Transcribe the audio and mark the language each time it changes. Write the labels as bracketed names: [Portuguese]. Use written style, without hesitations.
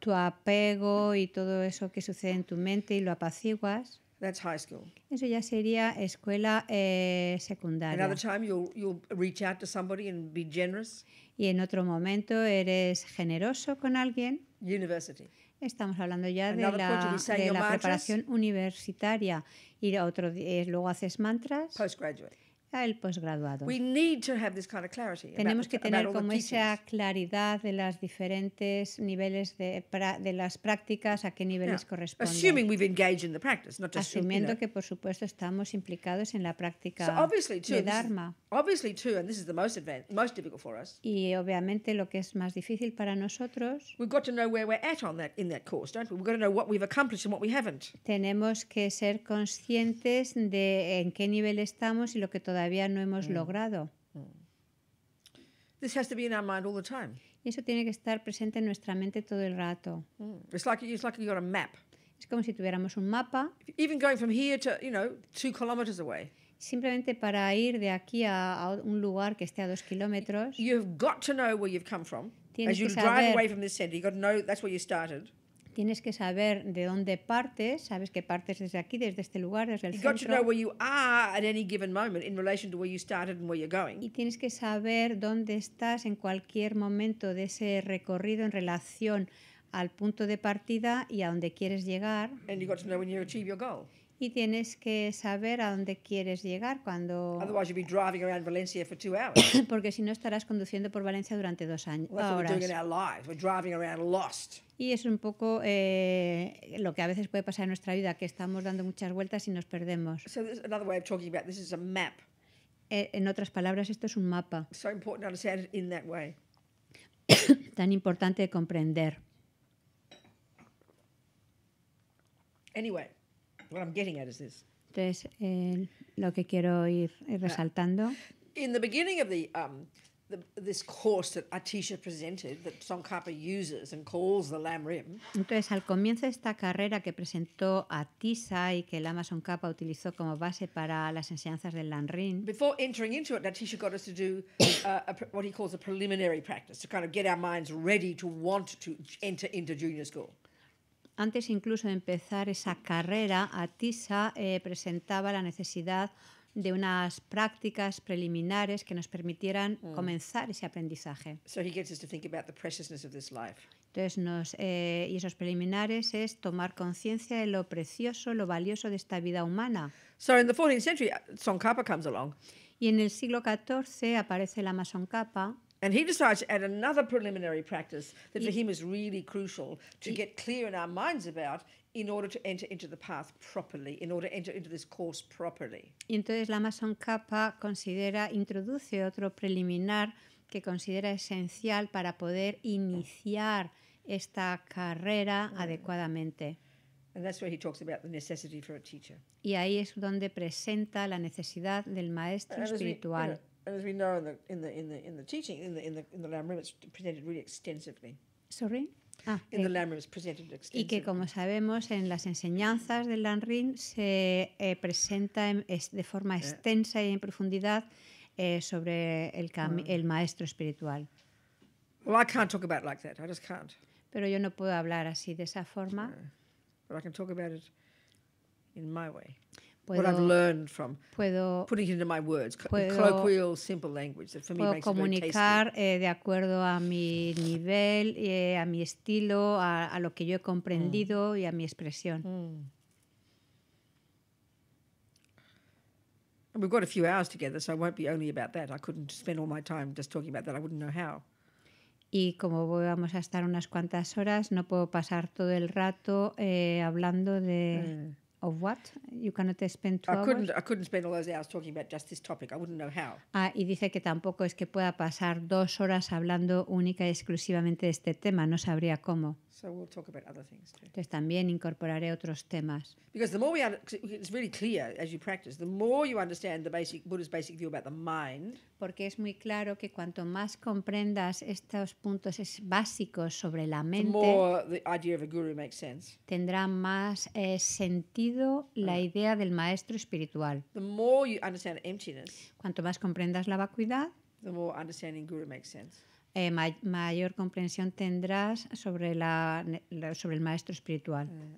[Spanish] tu apego y todo eso que sucede en tu mente y lo apaciguas. [English] That's high school. [Spanish] Eso ya sería escuela secundaria. [English] Another time you'll reach out to somebody and be generous. [Spanish] Y en otro momento eres generoso con alguien. [English] University. [Spanish] Estamos hablando ya de la preparación universitaria. Y otro día, luego haces mantras. [English] Postgraduate. [Spanish] El posgraduado. [English] We need to have this kind of clarity. [Spanish] Tenemos que tener como esa claridad de las diferentes niveles de las prácticas, a qué niveles corresponden. [English] Assuming we've engaged in the practice, not just assuming, you know, [Spanish] que por supuesto estamos implicados en la práctica [English] so obviously too, [Spanish] de Dharma. [English] Obviously too, and this is the most advanced, most difficult for us. [Spanish] Y obviamente lo que es más difícil para nosotros. [English] We've got to know where we're at on that in that course, don't we? We've got to know what we've accomplished and what we haven't. [Spanish] Tenemos que ser conscientes de en qué nivel estamos y lo que todavía no hemos logrado. [English] This has to be in our mind all the time. [Spanish] Y eso tiene que estar presente en nuestra mente todo el rato. [English] It's like you got a map. [Spanish] Es como si tuviéramos un mapa. [English] Even going from here to, you know, 2 kilometers away. [Spanish] Simplemente para ir de aquí a un lugar que esté a 2 kilómetros. [English] You've got to know where you've come from. [Spanish] Tienes [English] as you drive away from this center, you've got to know that's where you started. [Spanish] Tienes que saber de dónde partes, sabes que partes desde aquí, desde este lugar, desde el centro. [English] You've got to know where you are at any given moment in relation to where you started and where you're going. [Spanish] Y tienes que saber dónde estás en cualquier momento de ese recorrido en relación al punto de partida y a dónde quieres llegar. [English] And you've got to know when you achieve your goal. [Spanish] Y tienes que saber a dónde quieres llegar cuando. [English] Otherwise you'll be driving around Valencia for 2 hours. [Spanish] Porque si no estarás conduciendo por Valencia durante 2 años. [English] Well, that's what we're doing in our lives. We're driving around lost. [Spanish] Y es un poco lo que a veces puede pasar en nuestra vida, que estamos dando muchas vueltas y nos perdemos. [English] So this is another way of talking about this is a map. [Spanish] En otras palabras, esto es un mapa. [English] So important to understand it in that way. [Spanish] Tan importante comprender. [English] Anyway, what I'm getting at is this. [Spanish] Entonces, lo que quiero ir resaltando. [English] In the beginning of this course that Atisha presented, that Tsongkhapa uses and calls the Lam Rim. [Spanish] Entonces, al comienzo de esta carrera que presentó Atisha y que Lama Tsongkhapa utilizó como base para las enseñanzas del Lam Rim. [English] Before entering into it, Atisha got us to do what he calls a preliminary practice, to kind of get our minds ready to want to enter into junior school. [Spanish] Antes incluso de empezar esa carrera, Atisha presentaba la necesidad de unas prácticas preliminares que nos permitieran comenzar ese aprendizaje. [English] So he gets us to think about the preciousness of this life. [Spanish] Entonces, y esos preliminares es tomar conciencia de lo precioso, lo valioso de esta vida humana. [English] So in the 14th century, Tsongkhapa comes along. [Spanish] Y en el siglo XIV aparece Lama Tsongkhapa. [English] And he decides to add another preliminary practice that for him is really crucial to get clear in our minds about in order to enter into the path properly, in order to enter into this course properly. [Spanish] Y entonces Lama Tsongkhapa introduce otro preliminar que considera esencial para poder iniciar esta carrera adecuadamente. [English] And that's where he talks about the necessity for a teacher. [Spanish] Y ahí es donde presenta la necesidad del maestro espiritual. [English] And as we know in the teaching in the Lam Rim, it's presented really extensively. Sorry. in the lemmas presented extensively. [Spanish] Y que, como sabemos, en las enseñanzas del Lanrin se presenta de forma extensa y en profundidad sobre el maestro espiritual. [English] Well, I can't talk about it like that. I just can't. [Spanish] Pero yo no puedo hablar así, de esa forma. [English] But I can talk about it in my way. What I've learned from putting it into my words, colloquial, simple language that for me makes it very tasty. [Spanish] Comunicar de acuerdo a mi nivel, a mi estilo, a lo que yo he comprendido y a mi expresión. [English] And we've got a few hours together, so it won't be only about that. I couldn't spend all my time just talking about that. I wouldn't know how. [Spanish] Y como vamos a estar unas cuantas horas, no puedo pasar todo el rato hablando de... [English] Of what? You cannot spend 12 hours? I couldn't spend all those hours talking about just this topic. I wouldn't know how. [Spanish] Ah, y dice que tampoco es que pueda pasar dos horas hablando única y exclusivamente de este tema. No sabría cómo. [English] So we'll talk about other things too. [Spanish] Entonces también incorporaré otros temas. [English] Because the more it's really clear as you practice, the more you understand the basic Buddhist basic view about the mind. [Spanish] Porque es muy claro que cuanto más comprendas estos puntos básicos sobre la mente, [English] the more the idea of a guru makes sense. [Spanish] Tendrá más sentido la idea del maestro espiritual. [English] The more you understand emptiness, [Spanish] cuanto más comprendas la vacuidad, [English] the more understanding guru makes sense. [Spanish] Mayor comprensión tendrás sobre sobre el maestro espiritual.